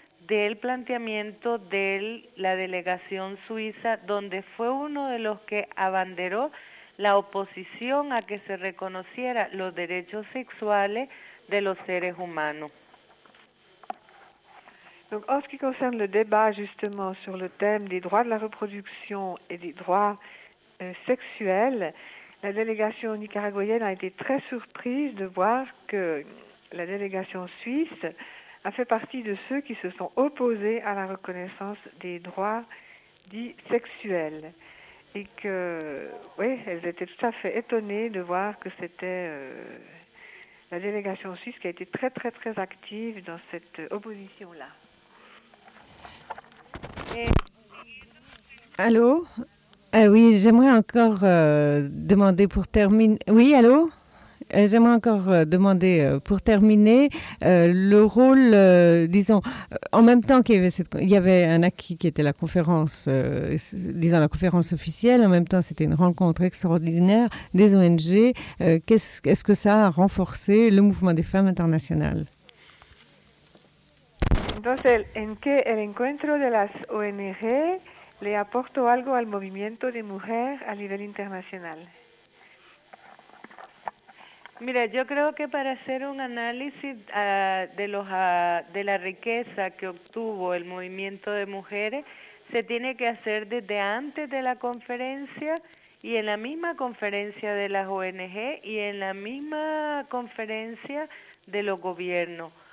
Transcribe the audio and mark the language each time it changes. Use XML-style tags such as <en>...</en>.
<es>del planteamiento de la delegación suiza, donde fue uno de los que abanderó la oposición a que se reconociera los derechos sexuales de los seres humanos.</es> <fr>Donc, en ce qui concerne le débat justement sur le thème des droits de la reproduction et des droits sexuelle, la délégation nicaraguayenne a été très surprise de voir que la délégation suisse a fait partie de ceux qui se sont opposés à la reconnaissance des droits dits sexuels. Et que, oui, elles étaient tout à fait étonnées de voir que c'était la délégation suisse qui a été très très très active dans cette opposition-là. Allô? Oui, j'aimerais encore demander pour terminer. Oui, allô. J'aimerais encore demander pour terminer le rôle, disons, en même temps qu'il y avait un acquis qui était la conférence, la conférence officielle. En même temps, c'était une rencontre extraordinaire des ONG. Est-ce que ça a renforcé le mouvement des femmes internationales?</fr> <es>Donc, en que el encuentro de las ONG le aporto algo al movimiento de mujeres a nivel internacional. Mira, yo creo que para hacer un análisis de la riqueza que obtuvo el movimiento de mujeres, se tiene que hacer desde antes de la conferencia y en la misma conferencia de las ONG y en la misma conferencia de los gobiernos.</es>